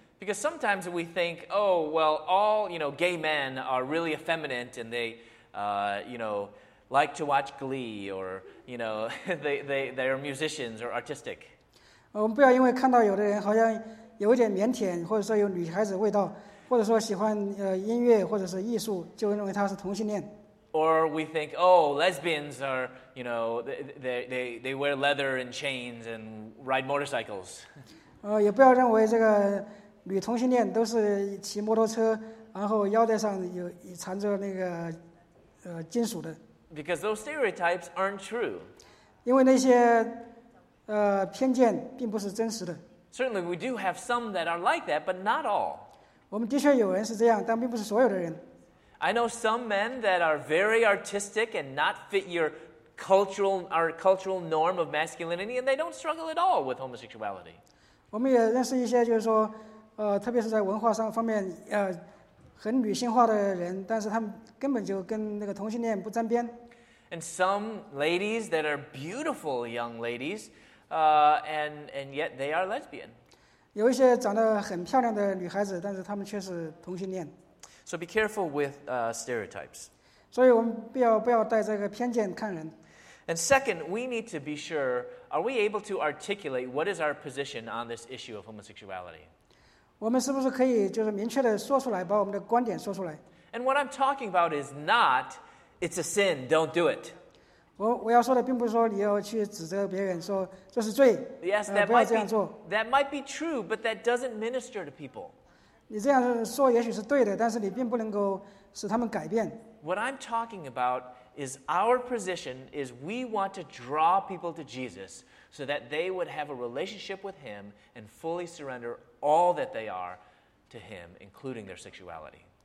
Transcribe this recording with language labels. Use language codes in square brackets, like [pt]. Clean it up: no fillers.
[en] Because sometimes we think, oh, well, all, you know, gay men are really effeminate and they, you know, like to watch Glee or, you know, they're musicians or artistic. [zh] 我们不要因为看到有的人好像有一点腼腆，或者说有女孩子味道，或者说喜欢音乐或者是艺术，就认为他是同性恋。 [en] Or we think, oh, lesbians are, you know, they wear leather and chains and ride motorcycles. [zh] 也不要认为这个女同性恋都是骑摩托车，然后腰带上有缠着那个金属的。 [en] Because those stereotypes aren't true. [zh] 因为那些偏见并不是真实的。 [en] Certainly, we do have some that are like that, but not all. [zh] 我们的确有人是这样，但并不是所有的人。 [en] I know some men that are very artistic and not fit our cultural norm of masculinity, and they don't struggle at all with homosexuality. [zh] 我们也认识一些，就是说，特别是在文化上方面，很女性化的人，但是他们根本就跟那个同性恋不沾边。 [en] And some ladies that are beautiful young ladies, and yet they are lesbian. [zh] 有一些长得很漂亮的女孩子，但是她们却是同性恋。 [en] So be careful with stereotypes. [zh] 所以我们不要带这个偏见看人。 [en] And second, we need to be sure, are we able to articulate what is our position on this issue of homosexuality? [zh] 我们是不是可以就是明确的说出来，把我们的观点说出来。 [en] And what I'm talking about is not, it's a sin, don't do it. [zh] 我要说的并不是说你要去指责别人说这是罪， [en] yes, that [zh] 不要这样做。 [en] That might be true, but that doesn't minister to people. [zh] 你这样说也许是对的，但是你并不能够使他们改变。 [en] What I'm talking about is our position is we want to draw people to Jesus so that they would have a relationship with Him and fully surrender all that they are to Him, including their sexuality.